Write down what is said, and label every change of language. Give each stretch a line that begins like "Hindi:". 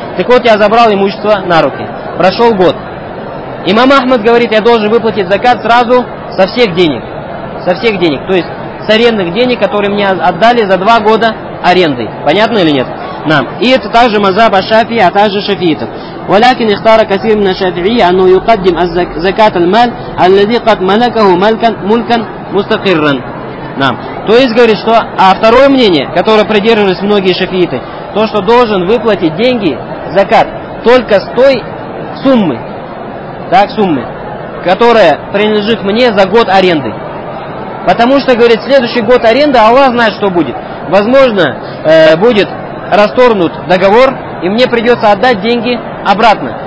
Russian: Так вот, я забрал имущество на руки. Прошел год. Имам Ахмад говорит, я должен выплатить закат сразу со всех денег. Со всех денег. То есть с арендных денег, которые мне отдали за 2 года аренды. Понятно или нет? Нам. И это также мазаб аш-Шафии, а также шафиитов.
Arabic: ولكن اختار كثير من الشافعية أنه يقدم زكاة المال الذي قد ملكه ملكا مستقرا. Нам.
Russian: То есть говорит, что, а второе мнение, которое придерживались многие шафииты, то, что должен выплатить деньги, закат, только с той суммы, так, суммы, которая принадлежит мне за год аренды. Потому что, говорит, следующий год аренды, Аллах знает, что будет. Возможно, будет расторгнут договор, и мне придется отдать деньги обратно.